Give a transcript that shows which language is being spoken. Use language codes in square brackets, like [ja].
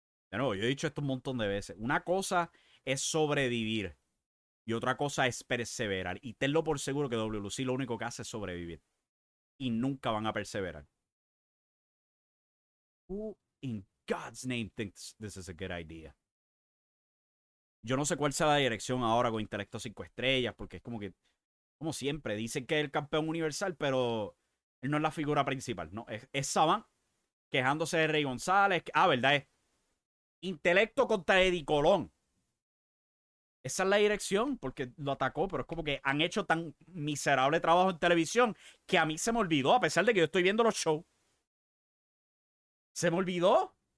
[es] De nuevo, yo he dicho esto un montón de veces. Una cosa es sobrevivir y otra cosa es perseverar. Y tenlo por seguro que WLC lo único que hace es sobrevivir. Y nunca van a perseverar. [en] Who in God's name thinks this is a good idea? [es] Yo no sé cuál sea la dirección ahora con Intelecto 5 Estrellas, porque es como que, como siempre, dicen que es el campeón universal, pero él no es la figura principal. No, es Saban quejándose de Rey González. Ah, ¿verdad? Es Intelecto contra Eddie Colón. Esa es la dirección, porque lo atacó, pero es como que han hecho tan miserable trabajo en televisión que a mí se me olvidó, a pesar de que yo estoy viendo los shows. ¿Se me olvidó?